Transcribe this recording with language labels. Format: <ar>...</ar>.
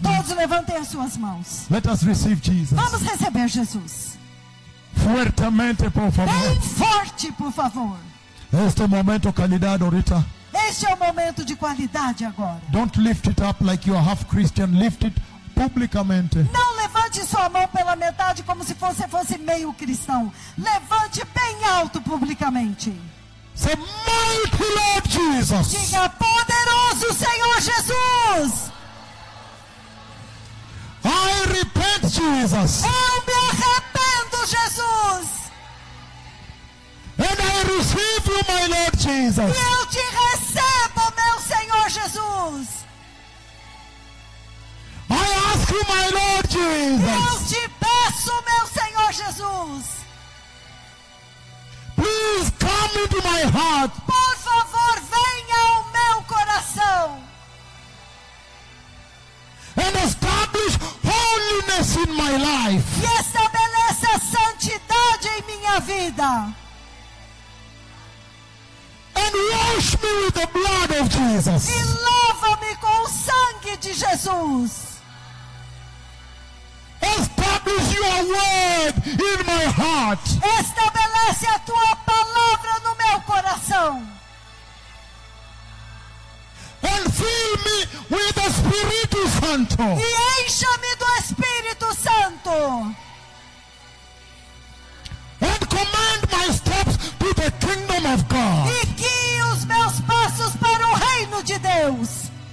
<pt>Todos please. Levantem as suas mãos.</pt> <en>Let us receive Jesus.</en> <pt>Vamos receber Jesus.</pt> <es>Fuertemente, por favor.</es> <pt>Bem forte, por favor.</pt> <es>Este momento, calidade, Rita.</es> <pt>Este é o momento de qualidade agora.</pt> <en>Don't lift it up like you are half Christian. Lift it publicamente.</en> <pt>Não levante sua mão pela metade como se você fosse meio cristão. Levante bem alto publicamente.</pt> <en>Say, mighty Lord Jesus.</en> <pt>Diga, poderoso Senhor Jesus.</pt> <en>I repent, Jesus.</en> <pt>Eu me arrependo, Jesus.</pt> <en>And I receive you, my Lord Jesus.</en> <pt>E eu te recebo, meu Senhor Jesus.</pt> <en>I ask you, my Lord Jesus.</en> <pt>Eu te peço, meu Senhor Jesus.</pt> <en>Please come into my heart.</en> <pt>Por favor, venha ao meu coração.</pt> <en>And establish holiness in my life.</en> <pt>E estabeleça santidade em minha vida.</pt> <en>And wash me with the blood of Jesus.</en> <pt>E lava-me com o sangue de Jesus.</pt> <en>establish your word in my heart.</en> <pt>Estabelece a tua palavra no meu coração.</pt> <en>And fill me with the Spirit Santo.</en> <pt>E encha-me do Espírito Santo.</pt> <en>And command my steps to the kingdom of God.</en> <pt>E guie os meus passos para o reino de Deus.</pt>